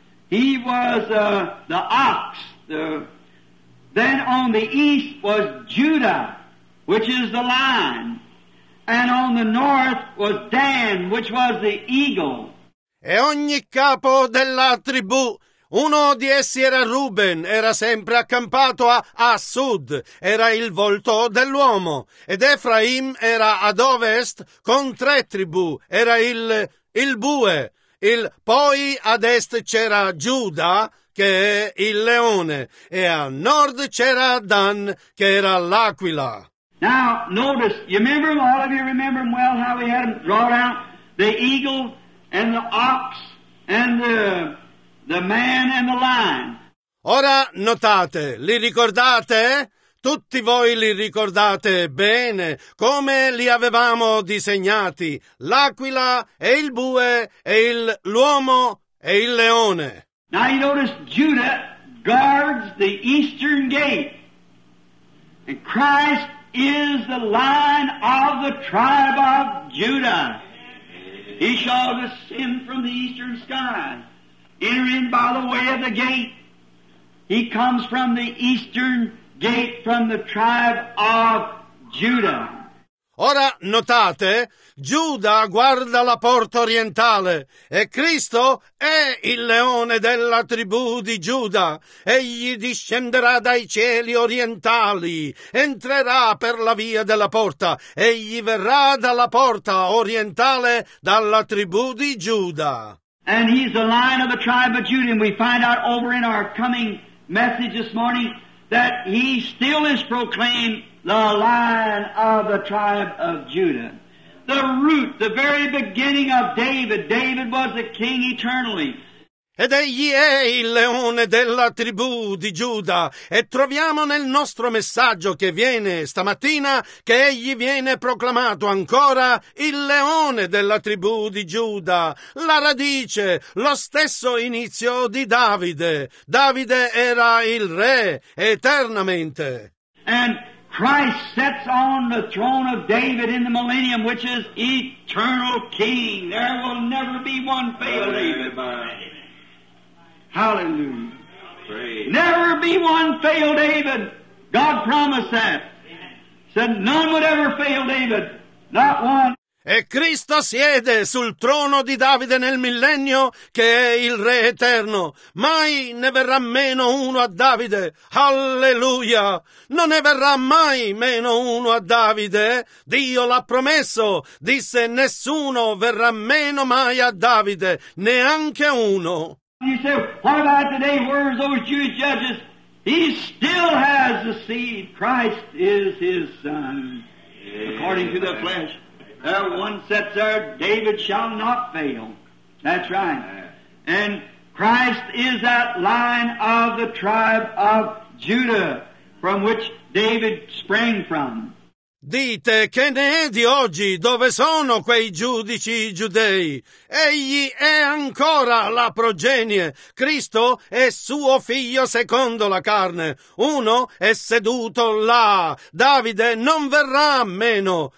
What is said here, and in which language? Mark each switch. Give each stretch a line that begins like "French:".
English: He was the ox. Then on the east was Judah, which is the lion. And on the north was Dan, which was the eagle.
Italian: E ogni capo della tribù, uno di essi era Ruben, era sempre accampato a sud, era il volto dell'uomo. Ed Efraim era ad ovest con tre tribù, era il bue. Poi ad est c'era Giuda, che è il leone. E a nord c'era Dan, che era l'aquila.
English: Now, notice, you remember them, all of you remember them well, how we had them drawn out, the eagle and the ox and the man and the lion.
Italian: Ora notate, li ricordate? Tutti voi li ricordate bene come li avevamo disegnati: l'aquila e il bue e l'uomo e il leone.
English: Now you notice Judah guards the eastern gate, and Christ is the lion of the tribe of Judah. He shall descend from the eastern skies. Enter in by the way of the gate. He comes from the eastern gate, from the tribe of Judah.
Italian: Ora notate, Giuda guarda la porta orientale e Cristo è il leone della tribù di Giuda. Egli discenderà dai cieli orientali, entrerà per la via della porta, egli verrà dalla porta orientale dalla tribù di Giuda.
English: And he's the lion of the tribe of Judah. And we find out over in our coming message this morning that he still is proclaimed the lion of the tribe of Judah. the root, the very beginning of David. David was the king eternally.
Italian: Ed egli è il leone della tribù di Giuda, e troviamo nel nostro messaggio che viene stamattina che egli viene proclamato ancora il leone della tribù di Giuda, la radice, lo stesso inizio di Davide. Davide era il re eternamente.
English: And Christ sits on the throne of David in the millennium, which is eternal king. There will never be one failure. Hallelujah. Praise. Never be one fail David. God promised that. Said none would ever fail David. Not one.
Italian: E Cristo siede sul trono di Davide nel millennio, che è il re eterno. Mai ne verrà meno uno a Davide. Alleluia! Non ne verrà mai meno uno a Davide. Dio l'ha promesso. Disse nessuno verrà meno mai a Davide. Neanche uno.
English: You say, what about today? Where are those Jewish judges? He still has the seed. Christ is his son. Amen. According to the flesh. There one sits there, David shall not fail. That's right. Amen. And Christ is that line of the tribe of Judah from which David sprang from.
Italian: Dite, che ne è di oggi? Dove sono quei giudici giudei? Egli è ancora la progenie. Cristo è suo figlio secondo la carne. Uno è seduto là. Davide non verrà meno.